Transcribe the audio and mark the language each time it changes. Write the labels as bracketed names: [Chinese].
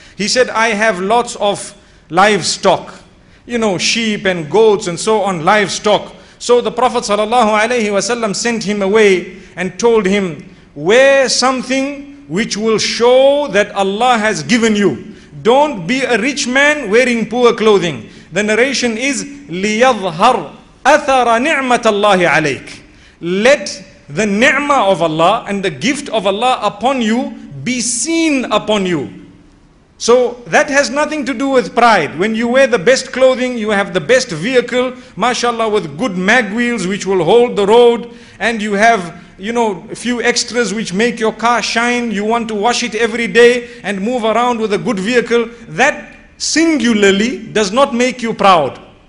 [English] He said, I have lots of livestock, you know, sheep and goats and so on, livestock. So the Prophet sallallahu alaihi wasallam sent him away and told him, wear something which will show that Allah has given you. Don't be a rich man wearing poor clothing. The narration is, [Arabic] لِيَظْهَرْ أَثَرَ نِعْمَةَ اللَّهِ عَلَيْكَ. [English] Let the ni'mah of Allah and the gift of Allah upon you be seen upon you. So that has nothing to do with pride. When you wear the best clothing, you have the best vehicle, mashallah, with good mag wheels which will hold the road, and you have, you know, a few extras which make your car shine, you want to wash it every day and move around with a good vehicle, that singularly does not make you proud.